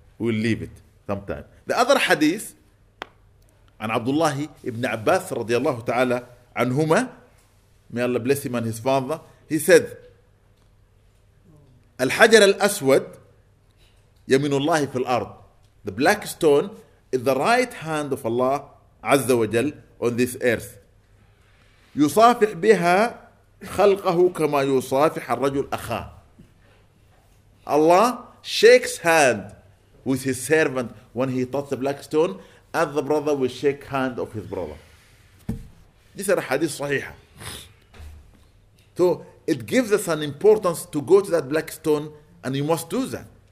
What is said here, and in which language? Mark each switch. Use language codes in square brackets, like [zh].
[en] We'll leave it sometime. The other hadith, an Abdullah ibn Abbas radiallahu ta'ala anhuma, may Allah bless him and his father, he said, [ar] Al-Hajar al-Aswad yaminullahi fil-ard. [en] The black stone is the right hand of Allah Azza wa Jal on this earth. [ar] يصافح بها خلقه كما يصافح الرجل أخاه. [en] Allah shakes hand with his servant when he touches the black stone, as the brother will shake hand of his brother. This is a hadith صحيحة. So it gives us an importance to go to that black stone, and you must do that.